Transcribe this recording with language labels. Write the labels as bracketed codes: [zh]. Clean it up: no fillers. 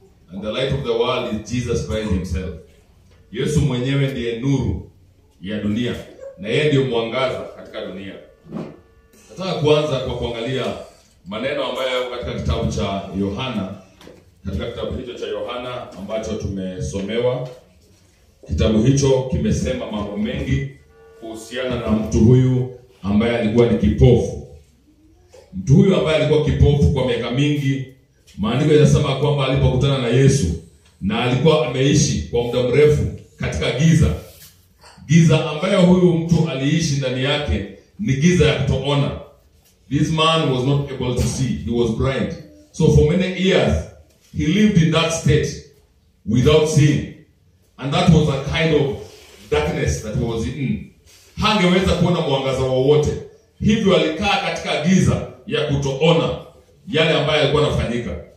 [en] And the light of the world is Jesus Christ himself. [sw] Yesu mwenyewe ndiye nuru ya dunia. Na yeye ndiye mwangaza katika dunia. Nataka kuanza kwa kuangalia maneno ambayo yako katika kitabu cha Yohana. Katika kitabu hicho cha Yohana ambacho tumesomewa. Kitabu hicho kimesema mambo mengi kuhusiana na mtu huyu ambaye alikuwa ni kipofu. Mtu huyu ambaye alikuwa kipofu kwa miaka mingi. Maandiko yanasema kwamba alipokutana na Yesu na alikuwa ameishi kwa muda mrefu katika giza. Giza ambayo huyu mtu aliishi ndani yake ni giza ya kutoona. [en] This man was not able to see. He was blind. So for many years he lived in that state without seeing. And that was a kind of darkness that he was in. [sw] Hangeweza kuona mwangaza wowote. Hivyo alikaa katika giza ya kutoona yale ambayo yalikuwa yanafanyika.